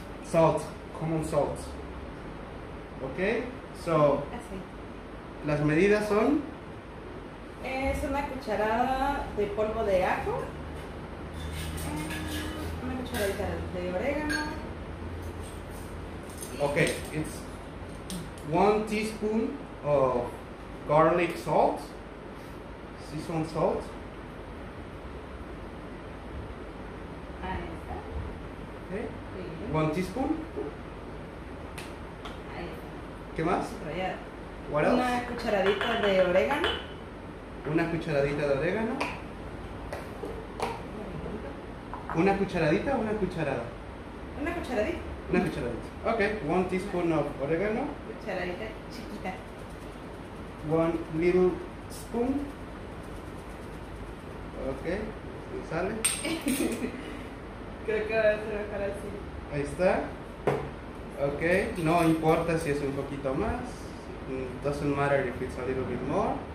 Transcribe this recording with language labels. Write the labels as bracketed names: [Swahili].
[English] Salt, common salt. Okay, so [Spanish] así. Las medidas son es una cucharada de polvo de ajo, una cucharadita de orégano. [English] Okay, it's 1 teaspoon of garlic salt, seasoned salt. [Spanish] Ahí está. [English] Okay, 1 teaspoon. [Spanish] ¿Qué más? [English] What else? [Spanish] Una cucharadita de orégano. Una cucharadita de orégano. ¿Una cucharadita o una cucharada? Una cucharadita. Una cucharadita. [English] Ok, 1 teaspoon of orégano. [Spanish] Cucharadita chiquita. [English] 1 little spoon. [Spanish] Ok, ¿me sale? Creo que va a ser mejor así. Ahí está. Ok, no importa si es un poquito más. [English] Doesn't matter if it's a little bit more.